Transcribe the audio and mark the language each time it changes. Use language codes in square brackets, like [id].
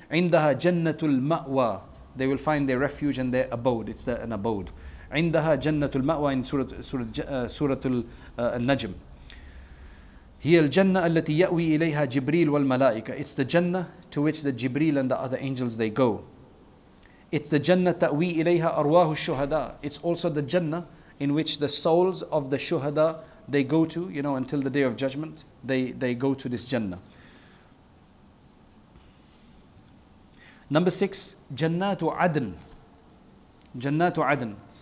[ar] عِنْدَهَا جَنَّةُ الْمَأْوَى. [en] They will find their refuge and their abode. It's an abode. [ar] عِنْدَهَا جَنَّةُ الْمَأْوَى in Surah Al-Najm. هِيَ الْجَنَّةُ الَّتِي يَأْوِي إِلَيْهَا جِبْرِيلُ وَالْمَلَائِكَةُ. [en] It's the Jannah to which the Jibreel and the other angels, they go. It's the Jannah [ar] تَأْوِي إِلَيْهَا أَرْوَاهُ الشُّهَدَى. [en] It's also the Jannah in which the souls of the Shuhada, they go to, you know, until the Day of Judgment, they go to this Jannah. Number six, Jannatu Adn. Jannatu Adn.